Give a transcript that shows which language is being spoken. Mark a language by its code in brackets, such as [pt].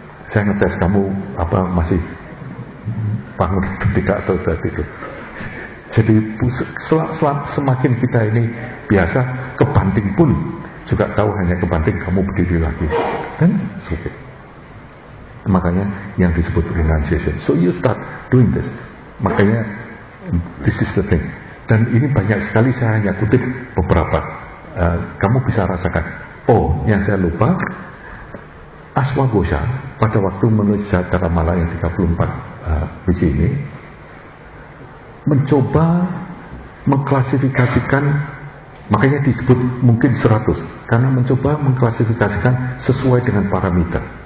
[id] Saya ngetes kamu apa masih bangun ketika atau saat itu. Jadi semakin kita ini biasa kebanting pun juga tahu hanya kebanting kamu berdiri lagi dan sakit. Makanya yang disebut renunciation. [en] So you start doing this. [id] Makanya [en] this is the thing. [id] Dan ini banyak sekali, saya hanya kutip beberapa. Kamu bisa rasakan. Oh, yang saya lupa, Aswagosha pada waktu menulis Jatara Mala yang 34 biji ini, mencoba mengklasifikasikan, makanya disebut mungkin 100, karena mencoba mengklasifikasikan sesuai dengan parameter.